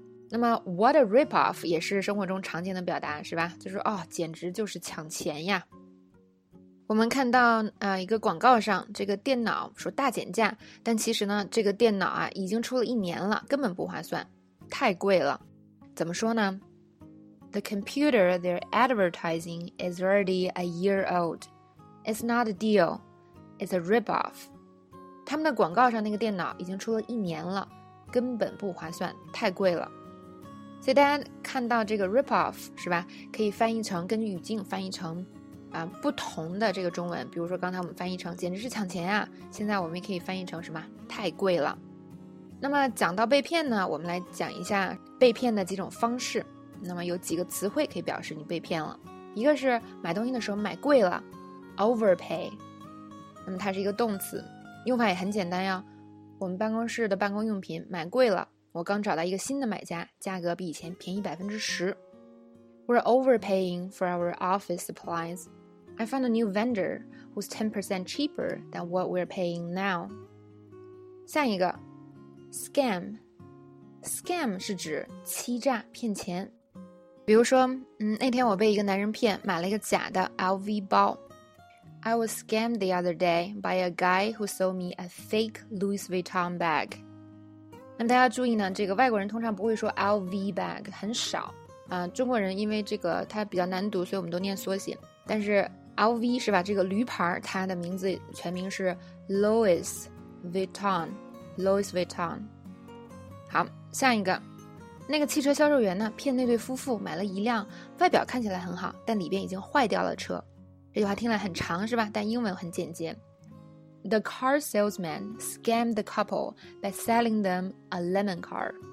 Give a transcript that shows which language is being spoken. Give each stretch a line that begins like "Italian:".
Chinese: 那么
English: what a rip-off
Chinese: 也是生活中常见的表达，是吧？就是哦，简直就是抢钱呀。我们看到一个广告上这个电脑说大减价，但其实呢这个电脑啊已经出了一年了，根本不划算，太贵了。怎么说呢？
English: The computer they're advertising is already a year old. It's not a deal. It's a rip-off.
Chinese: 他们的广告上那个电脑已经出了一年了，根本不划算，太贵了。所以大家看到这个 rip-off 是吧，可以翻译成，根据语境翻译成不同的这个中文，比如说刚才我们翻译成简直是抢钱啊，现在我们也可以翻译成什么太贵了。那么讲到被骗呢，我们来讲一下被骗的几种方式。那么有几个词汇可以表示你被骗了，一个是买东西的时候买贵了， overpay， 那么它是一个动词，用法也很简单呀。我们办公室的办公用品买贵了，我刚找到一个新的买家，价格比以前便宜10%。
English: We're overpaying for our office supplies. I found a new vendor who's 10% cheaper than what we're paying now.
Chinese: 下一个 ,scam. Scam 是指欺诈骗钱。比如说那天我被一个男人骗，买了一个假的 LV 包。
English: I was scammed the other day by a guy who sold me a fake Louis Vuitton bag.
Chinese: 那么大家注意呢，这个外国人通常不会说 LV bag, 很少。中国人因为这个它比较难读，所以我们都念缩写。但是 LV 是吧，这个驴牌它的名字全名是 Louis Vuitton, Louis Vuitton。好，下一个，那个汽车销售员呢骗那对夫妇买了一辆外表看起来很好但里边已经坏掉了车。这句话听来很长是吧，但英文很简洁。
English: The car salesman scammed the couple by selling them a lemon car。